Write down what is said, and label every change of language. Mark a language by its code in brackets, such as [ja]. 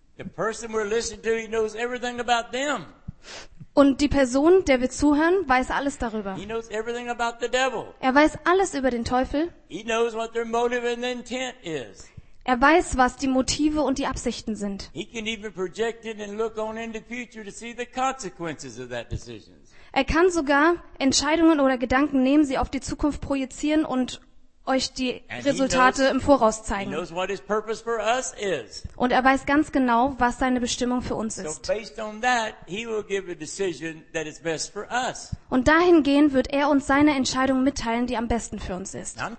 [en] The person we're listening to, he knows everything about them. [de] Und die Person, der wir zuhören, weiß alles darüber. [en] He knows everything about the devil. [de] Er weiß alles über den Teufel. [en] He knows what their motive and intent is. [de] Er weiß, was die Motive und die Absichten sind. [en] He can even project it and look on in the future to see the consequences of that decision. [de] Er kann sogar Entscheidungen oder Gedanken nehmen, sie auf die Zukunft projizieren und euch die Resultate im Voraus zeigen. Und er weiß ganz genau, was seine Bestimmung für uns ist. Und dahingehend wird er uns seine Entscheidung mitteilen, die am besten für uns ist.